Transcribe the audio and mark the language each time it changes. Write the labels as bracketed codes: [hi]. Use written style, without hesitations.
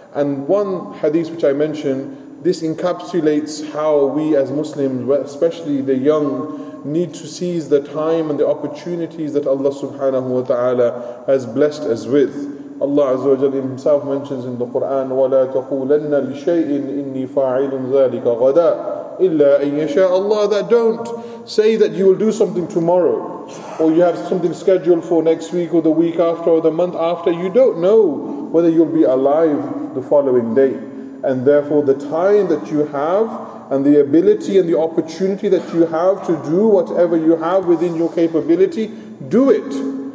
[en] And one hadith which I mentioned, this encapsulates how we as Muslims, especially the young, need to seize the time and the opportunities that Allah subhanahu wa ta'ala has blessed us with. Allah Azza wa Jalla himself mentions in the Quran, [ar] وَلَا تَقُولَنَّ لِشَيْءٍ إِنِّي فَاعِلٌ ذَلِكَ غَدًا إِلَّا أَن يَشَاءَ اللَّهُ. [en] That don't say that you will do something tomorrow, or you have something scheduled for next week, or the week after, or the month after. You don't know whether you'll be alive the following day. And therefore the time that you have, and the ability and the opportunity that you have to do whatever you have within your capability, do it.